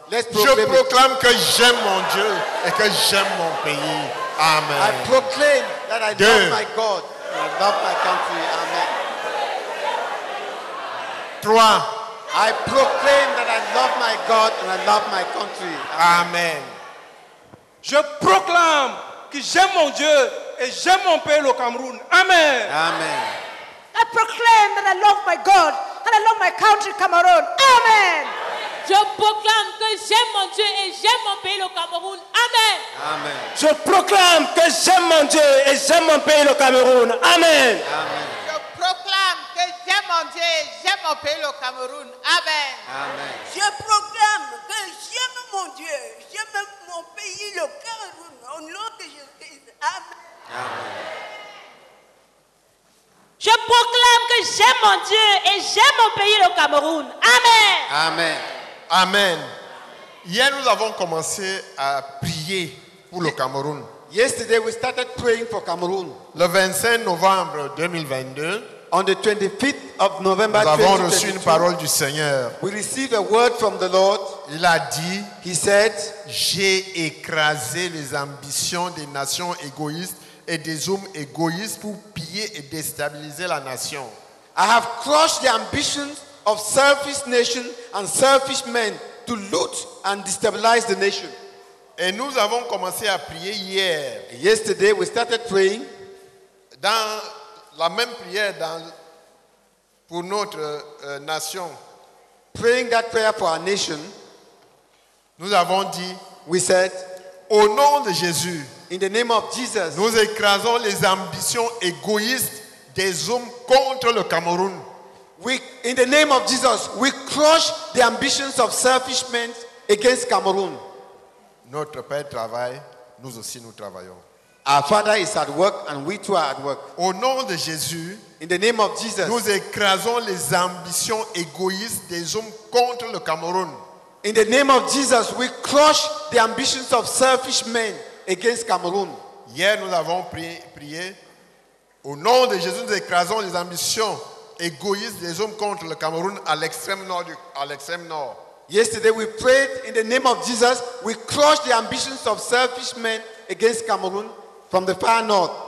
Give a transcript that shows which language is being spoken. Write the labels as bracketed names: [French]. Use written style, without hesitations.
[French] Je proclame que j'aime mon Dieu et que j'aime mon pays. Amen. [English] I proclaim that I [French] Deux. [English] Love my God and I love my country. Amen. [French] Trois. [English] I proclaim that I love my God and I love my country. Amen. Amen. [French] Je proclame que j'aime mon Dieu et j'aime mon pays, le Cameroun. Amen. Amen. [English] I proclaim that I love my God and I love my country, Cameroon. Amen. [French] Je proclame que j'aime mon Dieu et j'aime mon pays, le Cameroun. Amen. Amen. Je proclame que j'aime mon Dieu et j'aime mon pays, le Cameroun. Amen. Amen. Je proclame que j'aime mon Dieu et j'aime mon pays, le Cameroun. Amen. Amen. Je proclame que j'aime mon Dieu et j'aime mon pays, le Cameroun. Au nom de Jésus. Amen. Amen. Je proclame que j'aime mon Dieu et j'aime mon pays, le Cameroun. Amen. Amen. Amen. Hier, nous avons commencé à prier pour le Cameroun. [English] Yesterday, we started praying for Cameroon. [French] Le 25 novembre [English] 2022, on the 25th of November, [French] nous avons reçu une parole du Seigneur. [English] We received a word from the Lord. [French] Il a dit, [English] he said, [French] j'ai écrasé les ambitions des nations égoïstes et des hommes égoïstes pour piller et déstabiliser la nation. [English] I have crushed the ambitions of selfish nations and selfish men to loot and destabilize the nation. [French] Et nous avons commencé à prier hier. [English] Yesterday we started praying. [French] Dans la même prière dans, pour notre nation. [English] Praying that prayer for our nation. [French] Nous avons dit, [English] we said, [French] au nom de Jésus, [English] in the name of Jesus, [French] nous écrasons les ambitions égoïstes des hommes contre le Cameroun. [English] We, in the name of Jesus, we crush the ambitions of selfish men against Cameroon. [French] Notre Père travaille, nous aussi nous travaillons. [English] Our Father is at work and we too are at work. [French] Au nom de Jésus, [English] in the name of Jesus, [French] nous écrasons les ambitions égoïstes des hommes contre le Cameroun. [English] In the name of Jesus, we crush the ambitions of selfish men against Cameroon. [French] Hier, nous avons prié. Au nom de Jésus, nous écrasons les ambitions égoïstes des hommes contre le Cameroun à l'extrême nord. [English] Yesterday, we prayed in the name of Jesus, we crush the ambitions of selfish men against Cameroon from the far north.